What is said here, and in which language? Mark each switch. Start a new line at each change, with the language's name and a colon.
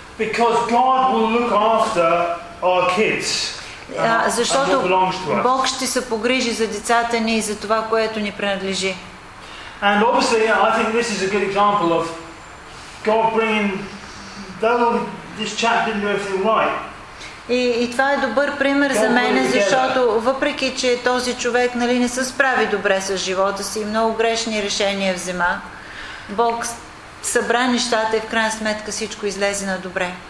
English: Because God will look after our kids.
Bulgarian: Защото Бог ще се погрижи за децата ни и за това, което ни принадлежи.
English: And obviously, I think this is a good example of God bringing. Though this chap didn't do everything right.
Bulgarian: И това е добър пример за мене, защото въпреки че този човек нали не се справи добре с живота си и много грешни решения взема, Бог събра нещата и в крайна сметка всичко излезе на добре.